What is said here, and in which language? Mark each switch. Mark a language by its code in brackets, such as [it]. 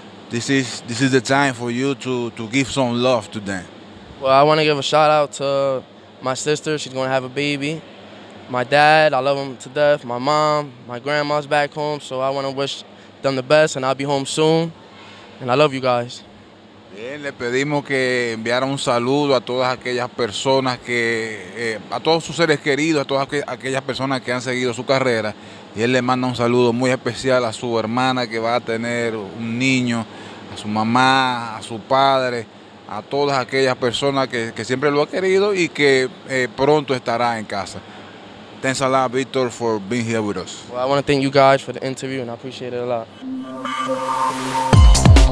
[en] This is the time for you to give some love to them. Well, I want to give a shout out to my sister. She's going to have a baby. My dad, I love him to death. My mom, my grandma's back home, so I want to wish them the best, and I'll be home soon. And I love you guys. [es] Bien, le pedimos que enviara un saludo a todas aquellas personas a todos sus seres queridos, a todas aquellas personas que han seguido su carrera. Y él le manda un saludo muy especial a su hermana que va a tener un niño, a su mamá, a su padre, a todas aquellas personas que siempre lo ha querido y que pronto estará en casa. [en] Thanks a lot, Victor, for being here with us. Well, I want to thank you guys for the interview, and I appreciate it a lot.